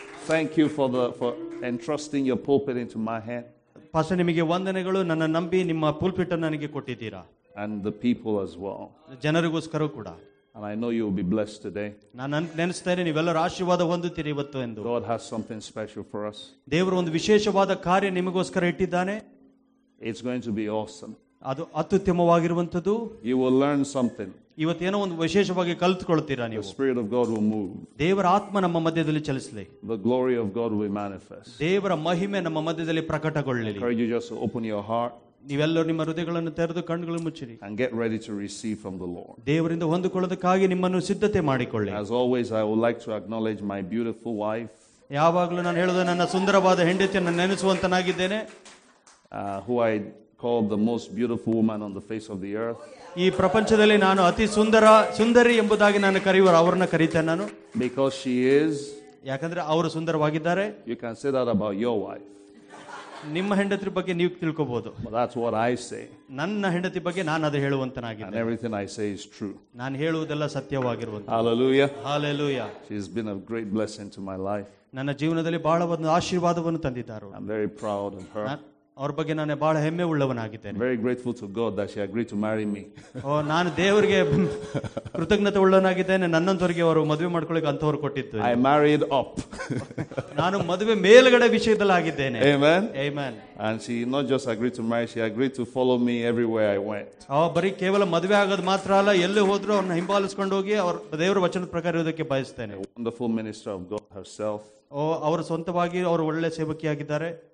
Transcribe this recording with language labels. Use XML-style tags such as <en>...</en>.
<en>Thank you for entrusting your pulpit into my hand.</en> <kn>Pastor, ನಿಮಗೆ ವಂದನೆಗಳು. ನನ್ನ ನಂಬಿ ನಿಮ್ಮ ಪುಲ್ಪಿಟ್ ಅನ್ನು ನನಗೆ ಕೊಟ್ಟಿದ್ದೀರಾ.</kn> <en>And the people as well.</en> <kn>ಜನರಿಗೋಸ್ಕರ ಕೂಡ.</kn> <en>And I know you will be blessed today.</en> <kn>ನಾನು ನೆನೆಸ್ತೇನೆ ನೀವೆಲ್ಲರೂ ಆಶೀರ್ವಾದ ಹೊಂದುತ್ತೀರಿ ಇವತ್ತು ಎಂದು.</kn> <en>God has something special for us.</en> <kn>ದೇವರು ಒಂದು ವಿಶೇಷವಾದ ಕಾರ್ಯ ನಿಮಗೋಸ್ಕರ ಇಟ್ಟಿದ್ದಾನೆ.</kn> <en>It's going to be awesome.</en> <kn>ಅದು ಅತ್ಯುತ್ತಮವಾಗಿರುವಂತದ್ದು.</kn> <en>You will learn something.</en> <kn>ಇವತ್ತೇನೋ ಒಂದು ವಿಶೇಷವಾಗಿ ಕಲಿತುಕೊಳ್ಳುತ್ತೀರಾ ನೀವು.</kn> <en>The spirit of God will move.</en> <kn>ದೇವರ ಆತ್ಮ ನಮ್ಮ ಮಧ್ಯದಲ್ಲಿ ಚಲಿಸಲಿ.</kn> <en>The glory of God will manifest.</en> <kn>ದೇವರ ಮಹಿಮೆ ನಮ್ಮ ಮಧ್ಯದಲ್ಲಿ ಪ್ರಕಟಗೊಳ್ಳಲಿ.</kn> <en>Can you just open your heart?</en> <kn>ನೀವೆಲ್ಲರೂ ನಿಮ್ಮ ಹೃದಯಗಳನ್ನು ತೆರೆದು ಕಣ್ಣುಗಳನ್ನು ಮುಚ್ಚಿರಿ.</kn> <en>And get ready to receive from the Lord.</en> <kn>ದೇವರಿಂದ ಹೊಂದಿಕೊಳ್ಳೋದಕ್ಕಾಗಿ ನಿಮ್ಮನ್ನು ಸಿದ್ಧತೆ ಮಾಡಿಕೊಳ್ಳಿ.</kn> <en>As always, I would like to acknowledge my beautiful wife.</en> <kn>ಯಾವಾಗಲೂ ನಾನು ಹೇಳುವ ನನ್ನ ಸುಂದರವಾದ ಹೆಂಡತಿಯನ್ನು ನೆನೆಸುವಂತನಾಗಿದ್ದೇನೆ.</kn> <en>Who I called the most beautiful woman on the face of the earth.</en> <kn>ಈ ಪ್ರಪಂಚದಲ್ಲಿ ನಾನು ಅತಿ ಸುಂದರ ಸುಂದರಿ ಎಂಬುದಾಗಿ ನಾನು ಅವರನ್ನ ಕರೀತೇನೆ ನಾನು.</kn> <en>Because she is.</en> <kn>ಯಾಕಂದ್ರೆ ಅವರು ಸುಂದರವಾಗಿದ್ದಾರೆ.</kn> <en>You can say that about your wife.</en> <kn>ನಿಮ್ಮ ಹೆಂಡತಿ ಬಗ್ಗೆ ನೀವು ತಿಳ್ಕೋಬಹುದು.</kn> <en>That's what I say.</en> <kn>ನನ್ನ ಹೆಂಡತಿ ಬಗ್ಗೆ ನಾನು ಅದೇ ಹೇಳುವಂತನಾಗಿದ್ದೇನೆ.</kn> <en>Everything I say is true.</en> <kn>ನಾನು ಹೇಳುವುದೆಲ್ಲ ಸತ್ಯವಾಗಿರುವಂತದ್ದು.</kn> <en>Hallelujah. Hallelujah. She has been a great blessing to my life.</en> <kn>ನನ್ನ ಜೀವನದಲ್ಲಿ ಬಹಳ ಒಂದು ಆಶೀರ್ವಾದವನ್ನು ತಂದಿದ್ದಾರೆ.</kn> <en>I'm very proud of her.</en> <kn>ಅವ್ರ ಬಗ್ಗೆ ನಾನು ಬಹಳ ಹೆಮ್ಮೆ ಉಳ್ಳವನಾಗಿದ್ದೇನೆ.</kn> <en>Very grateful to God that she agreed to marry me.</en> <kn>ಓ ನಾನು ದೇವರಿಗೆ ಕೃತಜ್ಞತೆ ಉಳ್ಳವನಾಗಿದ್ದೇನೆ. ನನ್ನಂತವರಿಗೆ ಅವರು ಮದುವೆ ಮಾಡ್ಕೊಳ್ಳಿಕ್ಕೆ ಅಂತವರು ಕೊಟ್ಟಿದ್ದು.</kn> <en>I married up.</en> <kn>ನಾನು ಮದುವೆ ಮೇಲ್ಗಡೆ ವಿಷಯದಲ್ಲಿ ಆಗಿದ್ದೇನೆ.</kn> <en>Amen. Amen. And she not just agreed to marry, she agreed to follow me everywhere I went.</en> <kn>ಓ ಬರೀ ಕೇವಲ ಮದುವೆ ಆಗೋದು ಮಾತ್ರ ಅಲ್ಲ, ಎಲ್ಲಿ ಹೋದ್ರು ಅವ್ರನ್ನ ಹಿಂಬಾಲಿಸಿಕೊಂಡು ಹೋಗಿ ಅವ್ರ ದೇವರ ವಚನದ ಪ್ರಕಾರ ಇರೋದಕ್ಕೆ ಬಯಸ್ತೇನೆ.</kn> <en>Wonderful minister of God herself.</en> <kn>ಓ ಅವರು ಸ್ವಂತವಾಗಿ ಅವರು ಒಳ್ಳೆ ಸೇವಕಿಯಾಗಿದ್ದಾರೆ.</kn>